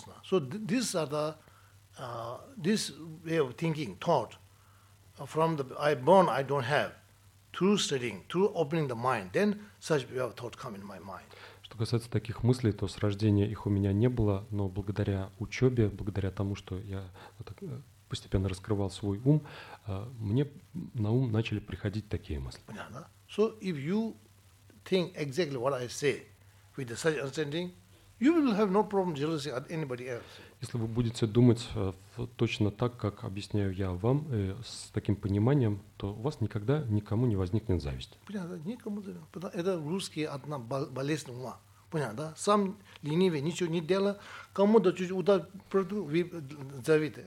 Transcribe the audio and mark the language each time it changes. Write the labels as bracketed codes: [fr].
[en] So these are the this way of thinking taught from the I born I don't have. Through studying, through opening the mind, then such thought come in my mind. [ru] Что касается таких мыслей, то с рождения их у меня не было, но благодаря учебе, благодаря тому, что я постепенно раскрывал свой ум, мне на ум начали приходить такие мысли. Понятно? [en] So if you think exactly what I say with such understanding, you will have no problem jealousy at anybody else. [ru] Если вы будете думать точно так, как объясняю я вам, с таким пониманием, то у вас никогда никому не возникнет зависть. Понятно, никому. Это русские одна болезнь ума. Понятно, да? Сам ленивый, ничего не делает, кому-то чуть удар пройду, вы завидите.